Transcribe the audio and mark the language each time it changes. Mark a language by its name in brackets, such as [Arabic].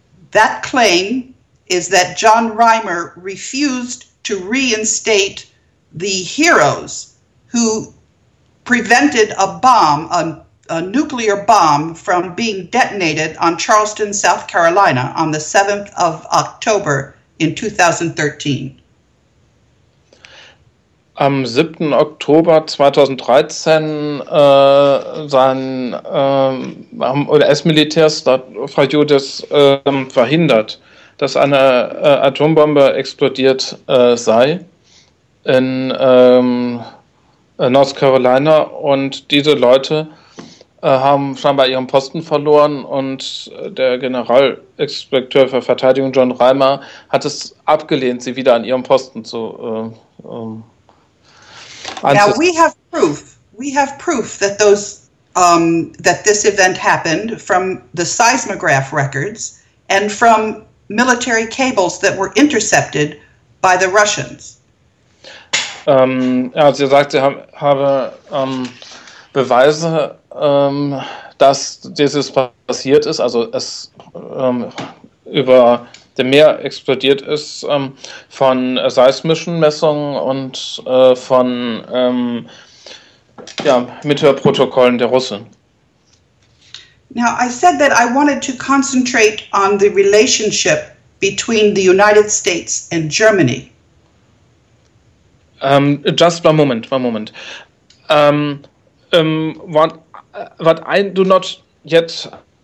[English] That claim is that John Reimer refused to reinstate the heroes who prevented a bomb, a nuclear bomb, from being detonated on Charleston, South Carolina on the 7th of October in 2013. [German] Am 7. Oktober 2013 US-Militärs, Frau Judis, verhindert, dass eine Atombombe explodiert sei in North Carolina. Und diese Leute haben scheinbar ihren Posten verloren. Und der Generalinspekteur für Verteidigung, John Reimer, hat es abgelehnt, sie wieder an ihren Posten zu [English] Now we have proof that those that this event happened from the seismograph records and from military cables that were intercepted by the Russians. [German] Sie sagt, sie habe Beweise, dass dieses passiert ist, also es über dem Meer explodiert ist, von seismischen Messungen und von Meteorprotokollen der Russen. [English] Now, I said that I wanted to concentrate on the relationship between the United States and Germany. Just one moment. What I do not yet...